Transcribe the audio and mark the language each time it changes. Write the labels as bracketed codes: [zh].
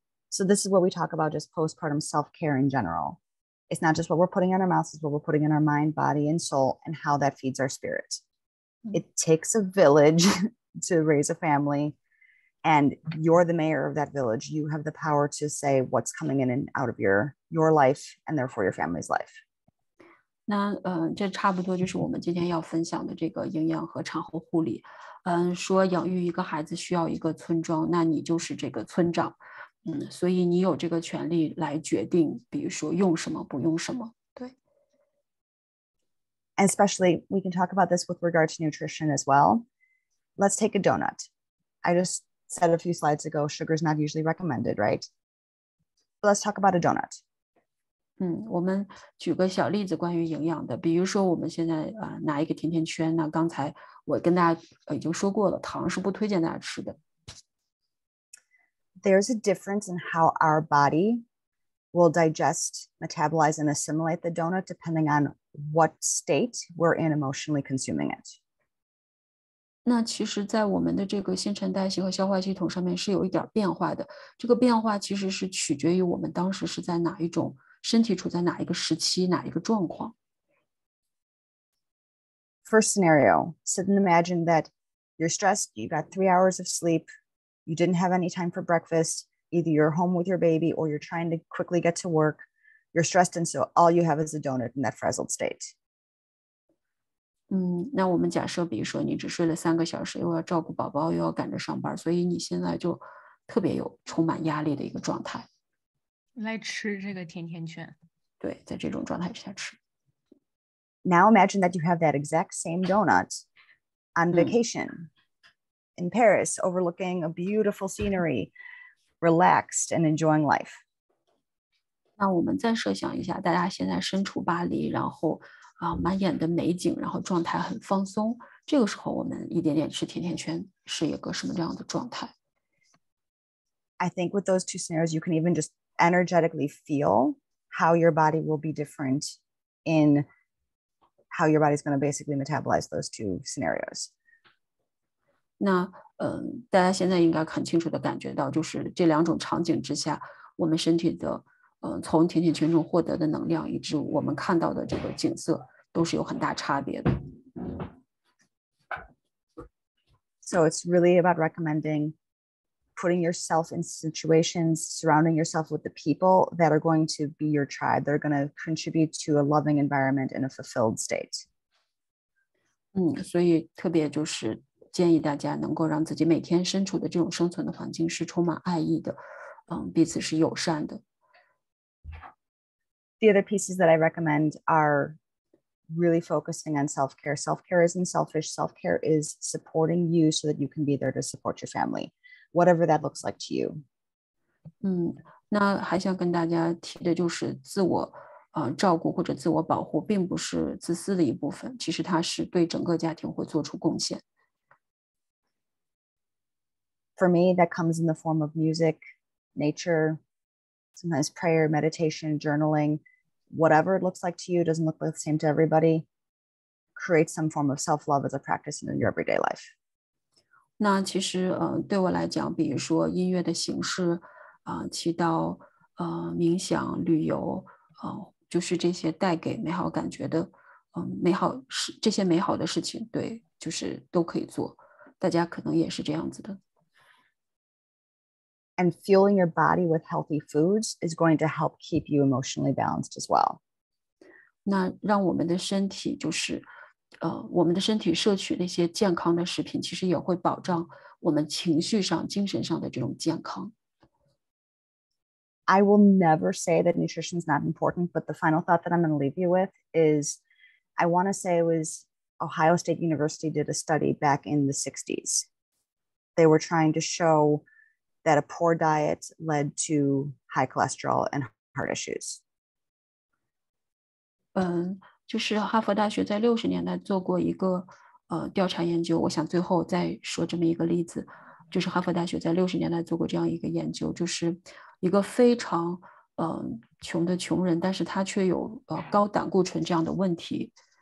[en] So this is what we talk about, just postpartum self-care in general. It's not just what we're putting in our mouths, it's what we're putting in our mind, body, and soul, and how that feeds our spirit. It takes a village to raise a family, and you're the mayor of that village. You have the power to say what's coming in and out of your life, and therefore your family's life. [zh] 那这差不多就是我们今天要分享的这个营养和产后护理。说养育一个孩子需要一个村庄，那你就是这个村长。所以你有这个权利来决定，比如说用什么，不用什么。对。 [en] And especially, we can talk about this with regard to nutrition as well. Let's take a donut. I just said a few slides ago, sugar is not usually recommended, right? Let's talk about a donut. [zh] 我们举个小例子关于营养的，比如说我们现在拿一个甜甜圈，那刚才我跟大家已经说过了，糖是不推荐大家吃的。 [en] There's a difference in how our body will digest, metabolize, and assimilate the donut depending on what state we're in emotionally consuming it. [zh] 那其实在我们的这个新陈代谢和消化系统上面是有一点变化的。这个变化其实是取决于我们当时是在哪一种身体处在哪一个时期哪一个状况。 [en] First scenario, sit and imagine that you're stressed, you got 3 hours of sleep,You didn't have any time for breakfast. Either you're home with your baby or you're trying to quickly get to work. You're stressed. And so all you have is a donut in that frazzled state. [zh] 那我们假设比如说你只睡了3个小时，又要照顾宝宝，又要赶着上班，所以你现在就特别有充满压力的一个状态。来吃这个甜甜圈。对，在这种状态下吃。 [en] Now imagine that you have that exact same donut on vacation. In Paris, overlooking a beautiful scenery, relaxed and enjoying life. [zh] 那我们再设想一下，大家现在身处巴黎，然后满眼的美景，然后状态很放松。这个时候，我们一点点吃甜甜圈，是一个什么这样的状态？ [en] I think with those two scenarios, you can even just energetically feel how your body will be different in how your body's going to basically metabolize those two scenarios. [zh] 那大家现在应该很清楚的感觉到，就是这两种场景之下，我们身体的从甜甜圈中获得的能量，以及我们看到的这个景色，都是有很大差别的。 [en] So it's really about recommending putting yourself in situations, surrounding yourself with the people that are going to be your tribe. They're going to contribute to a loving environment and a fulfilled state. [zh] 所以特别就是。建议大家能够让自己每天身处的这种生存的环境是充满爱意的，彼此是友善的。 [en] The other pieces that I recommend are really focusing on self-care. Self-care isn't selfish. Self-care is supporting you so that you can be there to support your family, whatever that looks like to you. [zh] 那还想跟大家提的就是自我照顾或者自我保护并不是自私的一部分，其实它是对整个家庭会做出贡献。 [en] For me, that comes in the form of music, nature, sometimes prayer, meditation, journaling, whatever it looks like to you, doesn't look the same to everybody, create some form of self-love as a practice in your everyday life. [zh] 那其实对我来讲，比如说音乐的形式，祈祷，冥想，旅游，就是这些带给美好感觉的，美好，这些美好的事情，对，就是都可以做，大家可能也是这样子的。 [en] And fueling your body with healthy foods is going to help keep you emotionally balanced as well. [zh] 那让我们的身体就是，我们的身体摄取那些健康的食品，其实也会保障我们情绪上、精神上的这种健康。 [en] I will never say that nutrition is not important, but the final thought that I'm going to leave you with is, I want to say it was Ohio State University did a study back in the 60s. They were trying to show that a poor diet led to high cholesterol and heart issues. [zh] 就是哈佛大学在60年代做过一个调查研究，我想最后再说这么一个例子，就是哈佛大学在60年代做过这样一个研究，就是一个非常穷的穷人，但是他却有高胆固醇这样的问题。